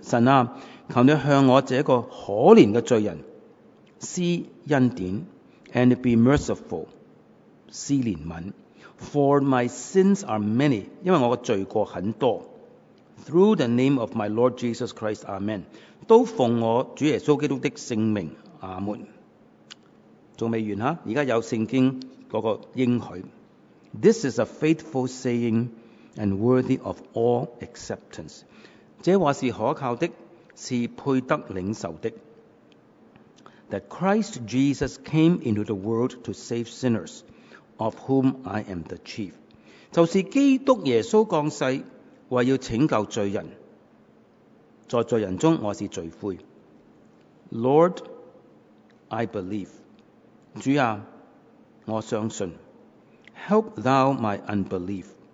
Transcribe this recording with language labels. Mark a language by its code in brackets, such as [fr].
[zh] 神啊，求你向我这个可怜的罪人施恩典 [en] and be merciful, [zh] 施怜悯 [en] For my sins are many, [zh] 因为我的罪过很多 [en] Through the name of my Lord Jesus Christ, Amen. [zh] 都奉我主耶稣基督的圣名，阿门。还未完，现在有圣经那个应许。 [en] This is a faithful saying,And worthy of all acceptance. [zh] 这话是可靠的，是配得领受的。 [en] That Christ Jesus came into the world to save sinners, of whom I am the chief. [zh] 就是基督耶稣降世，为要拯救罪人。在罪人中，我是罪魁。 [en] Lord, I believe. [zh] 主啊，我相信。 [en] Help thou my unbelief.